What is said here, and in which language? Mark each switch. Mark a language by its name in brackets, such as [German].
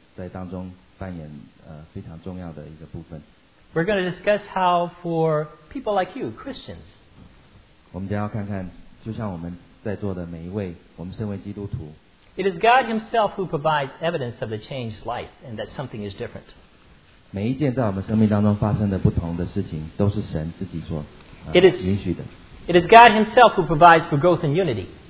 [Chinese] 所以我们要来看看，当我们的生命有一些转变的时候，神在当中是怎么样的一个引领的角色，怎么样的在当中扮演非常重要的一个部分。 [English] We're going to discuss how for people like you, Christians, [Chinese] 我们将要看看，就像我们在座的每一位，我们身为基督徒。 [English] It is God himself who provides evidence of the changed life and that something is different. [Chinese] 每一件在我们生命当中发生的不同的事情都是神自己所允许的。 [English] It is God himself who provides for growth and unity.